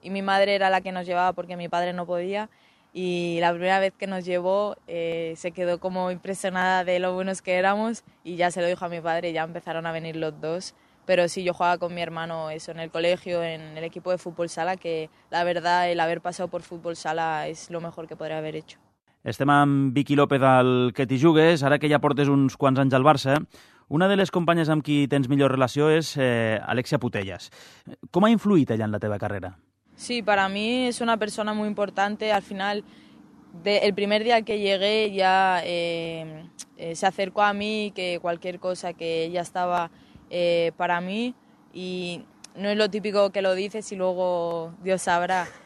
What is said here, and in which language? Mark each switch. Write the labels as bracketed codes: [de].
[es] Y mi madre era la que nos llevaba porque mi padre no podía. Y la primera vez que nos llevó se quedó como impresionada de lo buenos que éramos y ya se lo dijo a mi padre y ya empezaron a venir los dos. Pero sí, yo jugaba con mi hermano eso en el colegio, en el equipo de fútbol sala, que la verdad el haber pasado por fútbol sala es lo mejor que podría haber hecho. [ca] Estem amb Vicky López al Que t'hi jugues, ara que ja portes uns quants anys al Barça. Una de les companyes amb qui tens millor relació és Alexia Putellas. Com ha influït ella en la teva carrera? [es] Sí, para mí es una persona muy importante. Al final, el primer día que llegué ya se acercó a mí, que cualquier cosa que ella estaba para mí. Y no es lo típico que lo dices y luego Dios sabrá.